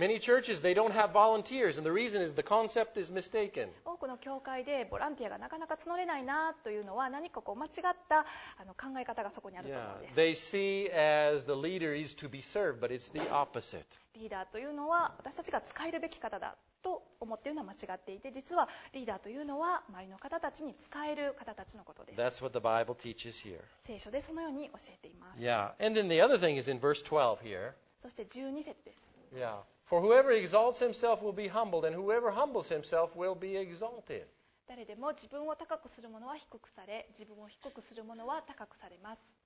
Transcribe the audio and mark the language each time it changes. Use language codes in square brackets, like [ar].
[en] Many churches, they don't have volunteers, and the reason is the concept is mistaken. [ja] 多くの教会でボランティアがなかなか募れないなというのは何かこう間違った考え方がそこにあると思うんです。 [en] Yeah. They see as the leader is to be served, but it's the opposite. [ja] リーダーというのは私たちが使えるべき方だと思っているのは間違っていて、実はリーダーというのは周りの方たちに使える方たちのことです。 [en] That's what the Bible teaches here. [ja] 聖書でそのように教えています。 [en] Yeah. And then the other thing is in verse 12 here. [ja] そして12節です。 [en] Yeah. For whoever exalts himself will be humbled, and whoever humbles himself will be exalted. [ja] 誰でも自分を高くする者は低くされ、自分を低くする者は高くされます。